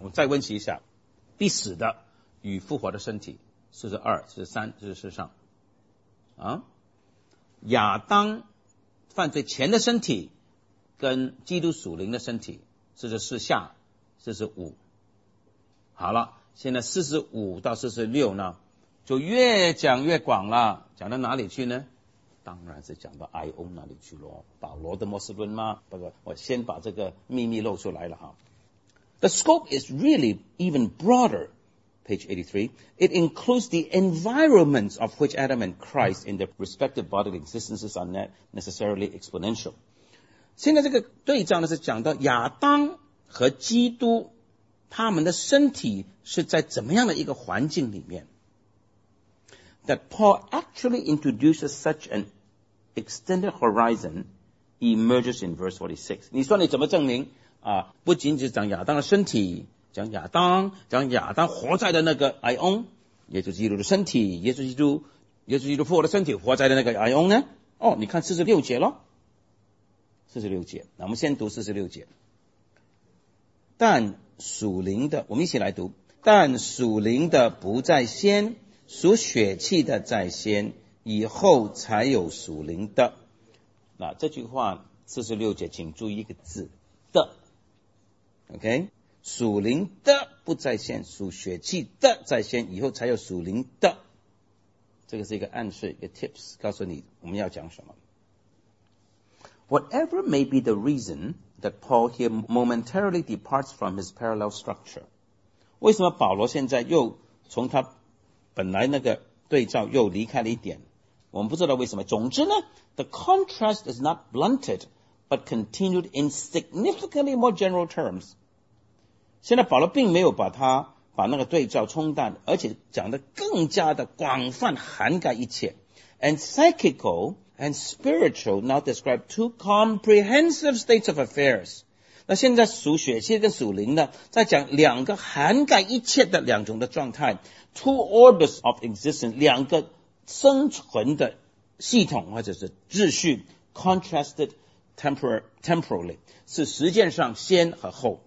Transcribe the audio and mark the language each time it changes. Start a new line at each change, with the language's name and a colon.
Chinese: 我再温习一下，必死的与复活的身体，42 43 44亚当犯罪前的身体跟基督属灵的身体，这是下45。好了，现在45到46呢就越讲越广了，讲到哪里去呢？当然是讲到 Ion 那里去咯，保罗的末世论吗？不过我先把这个秘密露出来了哈。
English: The scope is really even broader。 Page 83, it includes the environments of which Adam and Christ in their respective bodily existences are not necessarily exponential.
Chinese: 现在这个对照呢是讲到亚当和基督他们的身体是在怎么样的一个环境里面。
English: That Paul actually introduces such an extended horizon emerges in verse 46.
Chinese: 你说你怎么证明啊？不仅仅讲亚当的身体，讲亚当，讲亚当活在的那个 Ion， 也就是基督的身体，耶稣基督复活的身体活在的那个 Ion 呢？哦，你看46节咯，46节，那我们先读46节。但属灵的，我们一起来读，但属灵的不在先，属血气的在先，以后才有属灵的。那这句话46节请注意一个字的， OK？属灵的不在先，属血气的在先，以后才有属灵的。这个是一个暗示，一个 tips， 告诉你我们要讲什么。
English: Whatever may be the reason that Paul here momentarily departs from his parallel structure，
Chinese: 为什么保罗现在又从他本来那个对照又离开了一点？我们不知道为什么。总之呢
English: ，the contrast is not blunted， but continued in significantly more general terms。
Chinese: 现在保罗并没有把那个对照冲淡，而且讲得更加的广泛涵盖一切。
English: And psychical and spiritual now describe two comprehensive states of affairs.
Chinese: 那现在属血气跟属灵呢，在讲两个涵盖一切的两种的状态。
English: Two orders of existence,
Chinese: 两个生存的系统或者是秩序
English: contrasted temporarily
Chinese: 是时间上先和后。